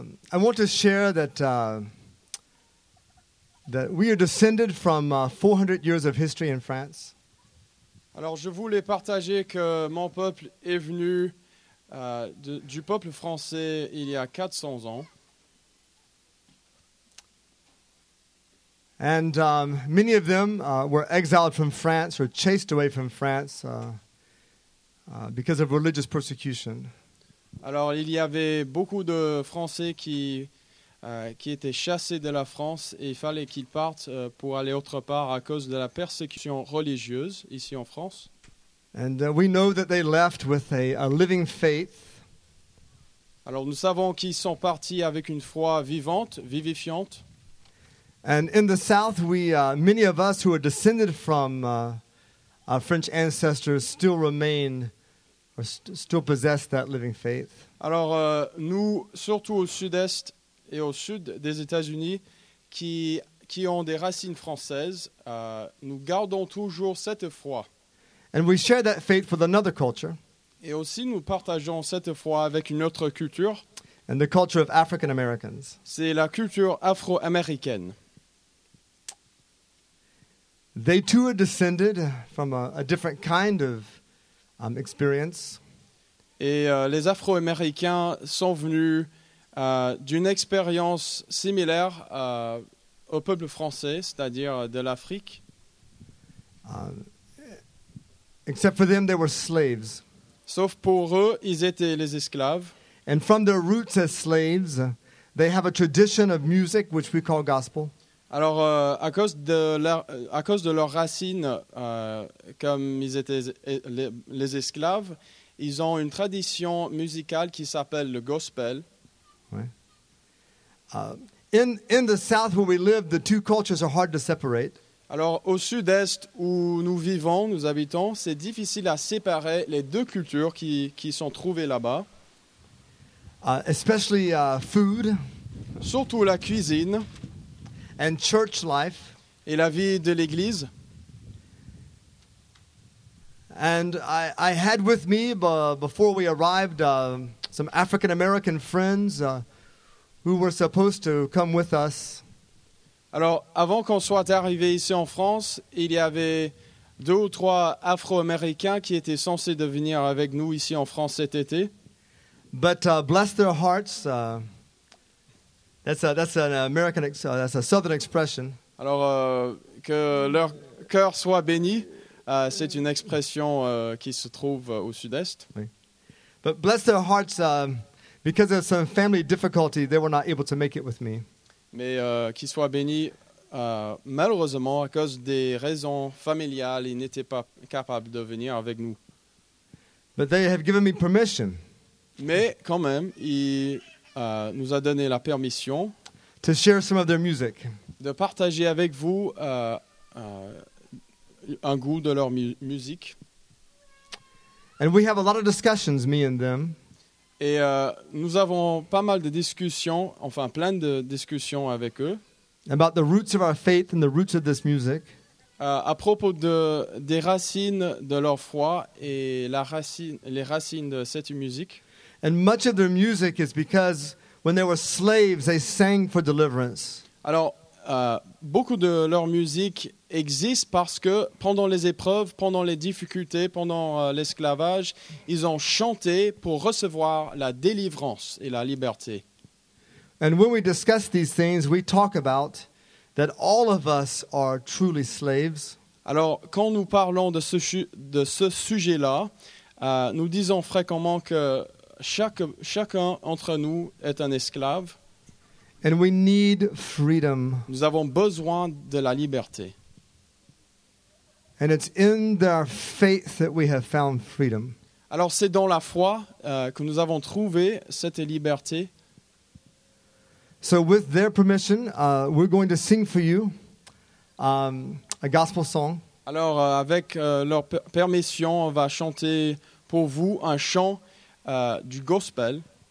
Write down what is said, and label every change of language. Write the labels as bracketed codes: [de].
[en] I want to share that that we are descended from 400 years of history in France. [fr] Alors, je voulais partager que mon peuple est venu du peuple français il y a 400 ans. [en] And many of them were exiled from France or chased away from France because of religious persecution. [fr] Alors il y avait beaucoup de Français qui étaient chassés de la France et il fallait qu'ils partent pour aller autre part à cause de la persécution religieuse ici en France. [en] And we know that they left with a living faith. [fr] Alors nous savons qu'ils sont partis avec une foi vivante, vivifiante. [en] And in the south we many of us who are descended from our French ancestors still remain or still possess that living faith. [fr] Alors nous surtout au sud-est et au sud des États-Unis qui ont des racines françaises, nous gardons toujours cette foi. [en] And we share that faith with another culture. [fr] Et aussi, nous partageons cette foi avec une autre culture. [en] And the culture of African Americans. [fr] C'est la culture afro-américaine. [en] They too are descended from a different kind of experience. [fr] Et les Afro-Américains sont venus d'une expérience similaire au peuple français, c'est-à-dire de l'Afrique. [en] Except for them, they were slaves. [fr] Sauf pour eux, ils étaient les esclaves. [en] And from their roots as slaves, they have a tradition of music which we call gospel. [fr] Alors, à cause de leurs racines, comme ils étaient les esclaves, ils ont une tradition musicale qui s'appelle le gospel. Ouais. [en] In the south where we live, the two cultures are hard to separate. [fr] Alors, au sud-est où nous vivons, nous habitons, c'est difficile à séparer les deux cultures qui sont trouvées là-bas. [en] Especially food. [fr] Surtout la cuisine. [en] And church life. [fr] Et la vie de l'église. [en] And I had with me, before we arrived, some African-American friends who were supposed to come with us. [fr] Alors, avant qu'on soit arrivé ici en France, il y avait deux ou trois Afro-Américains qui étaient censés de venir avec nous ici en France cet été. [en] But bless their hearts. That's a Southern expression. [fr] Alors, que leur cœur soit béni, c'est une expression qui se trouve au Sud-Est. Oui. [en] But bless their hearts, because of some family difficulty, they were not able to make it with me. [fr] Mais qu'ils soient bénis, malheureusement, à cause des raisons familiales, ils n'étaient pas capables de venir avec nous. [en] But they have given me permission. [fr] Mais quand même, il nous a donné la permission [en] to share some of their music. [fr] De partager avec vous un goût de leur musique. [en] And we have a lot of discussions, me and them. [fr] Et nous avons pas mal de discussions, enfin plein de discussions avec eux. [en] About the roots of our faith and the roots of this music. [fr] À propos des racines de leur foi et les racines de cette musique. [en] And much of their music is because when they were slaves, they sang for deliverance. [fr] Alors, beaucoup de leur musique existe parce que pendant les épreuves, pendant les difficultés, pendant l'esclavage, ils ont chanté pour recevoir la délivrance et la liberté. [en] And when we discuss these things, we talk about that all of us are truly slaves. [fr] Alors, quand nous parlons de ce sujet-là, nous disons fréquemment que chacun entre nous est un esclave. [en] And we need freedom. [fr] Nous avons besoin de la liberté. [en] And it's in our faith that we have found freedom. [fr] Alors, c'est dans la foi que nous avons trouvé cette liberté. [en] So with their permission, we're going to sing for you a gospel song. [fr] Alors, avec leur permission, on va chanter pour vous un chant du gospel.